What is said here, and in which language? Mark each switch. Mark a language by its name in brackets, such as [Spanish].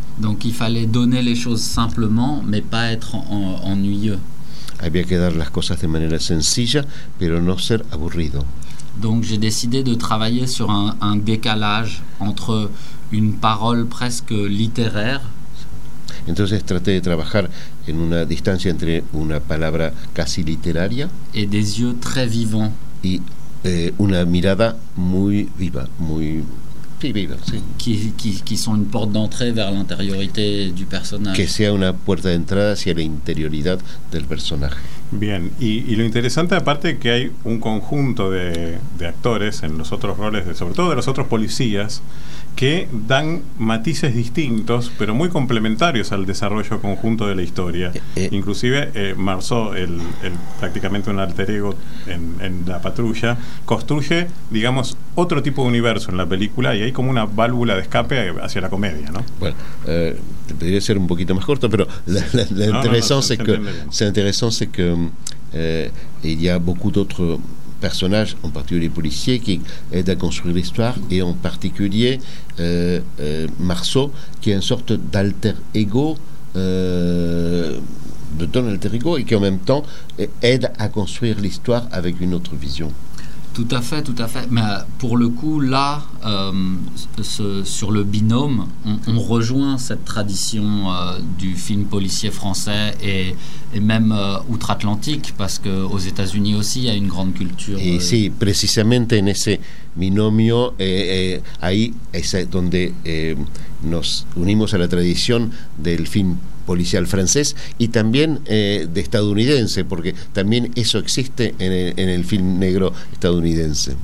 [French] Donc il fallait donner les choses simplement mais pas être ennuyeux. [Spanish] Había que dar las cosas de manera sencilla, pero no ser aburrido. [French] Donc j'ai décidé de travailler sur un décalage entre une parole presque littéraire. [Spanish] Entonces traté de trabajar en una distancia entre una palabra casi literaria [French] et des yeux très vivants. [Spanish] Y una mirada muy viva, muy viva, sí. [French] Qui sont une porte d'entrée vers l'intériorité du personnage. [Spanish] Que sea una puerta de entrada hacia la interioridad del personaje. Bien, y lo interesante aparte que hay un conjunto de actores en los otros roles, sobre todo de los otros policías, que dan matices distintos, pero muy complementarios al desarrollo conjunto de la historia. Inclusive, Marceau, el prácticamente un alter ego en la patrulla, construye, digamos, otro tipo de universo en la película y hay como una válvula de escape hacia la comedia, ¿no? Bueno, te podría ser un poquito más corto, pero la interesante es que hay muchos otros [French] personnages, en particulier les policiers, qui aident à construire l'histoire, et en particulier Marceau, qui est une sorte d'alter ego, de ton alter ego, et qui en même temps aide à construire l'histoire avec une autre vision. Tout à fait, tout à fait. Mais pour le coup, là, sur le binôme, on rejoint cette tradition du film policier français et même outre-Atlantique, parce qu'aux États-Unis aussi, il y a une grande culture. Et si, précisément, [Spanish] en ese binomio, ahí es donde nos unimos a la tradición del film policial francés y también de estadounidense, porque también eso existe en el film negro estadounidense.